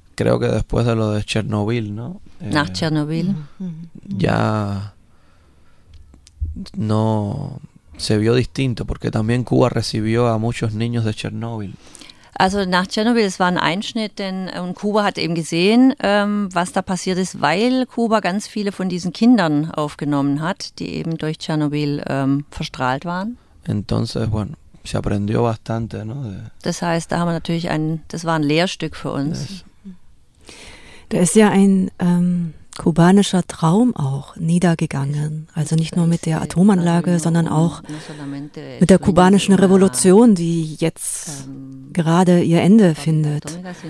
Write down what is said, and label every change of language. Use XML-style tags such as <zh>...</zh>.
<es>Creo que después de lo de Chernobyl, ¿no?</es> <de>Nach Chernobyl.</de> <es>Ya no se vio distinto, porque también Cuba recibió a muchos niños de Chernobyl.</es> <de>Also nach Tschernobyl, es war ein Einschnitt, denn und Kuba hat eben gesehen, was da passiert ist, weil Kuba ganz viele von diesen Kindern aufgenommen hat, die eben durch Tschernobyl verstrahlt waren.</de> <es>Entonces, bueno, se aprendió bastante, ¿no?</es> <de>Das heißt, da haben wir natürlich das war ein Lehrstück für uns. Da ist ja ein kubanischer Traum auch niedergegangen. Also nicht nur mit der Atomanlage, sondern auch mit der kubanischen Revolution, die jetzt gerade ihr Ende findet.</de>